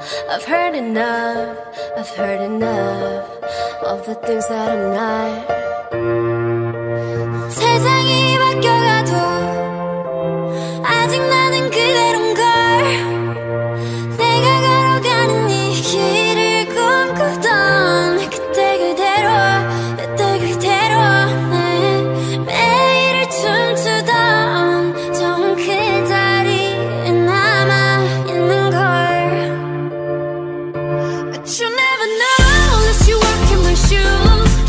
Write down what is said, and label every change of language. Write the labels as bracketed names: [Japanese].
[English] I've heard enough, I've heard enough of the things that I'm not. [Korean] 세상이 바뀌어가도 아직 나는 그대로인 걸. 내가 걸어가는 이 길을 꿈꾸던 그때 그대로, 그때 그대로. 네. 매일을 춤추던 좀 그 자리에 남아 있는 걸. [English] But you never know unless you walk in my shoes.